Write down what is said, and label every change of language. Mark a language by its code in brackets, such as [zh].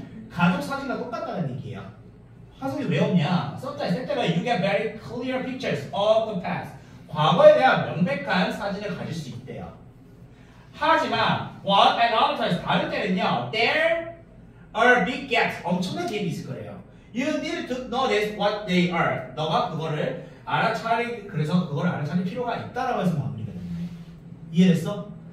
[ko] 가족 사진과 똑같다는 얘기예요. 화성이 왜 없냐? [en] Sometimes, 때때로 you get very clear pictures of the past. [ko] 과거에 대한 명백한 사진을 가질 수 있대요. [en] 하지만, what and other times, [ko] 다른 때는요, [en] there are big gaps, [ko] 엄청난 gap이 있을 거예요. [en] You need to notice what they are. [ko] 너가 그거를 알아차리, 그래서 그걸 알아차릴 필요가 있다라고 해서 마무리가 됐네. 이해됐어?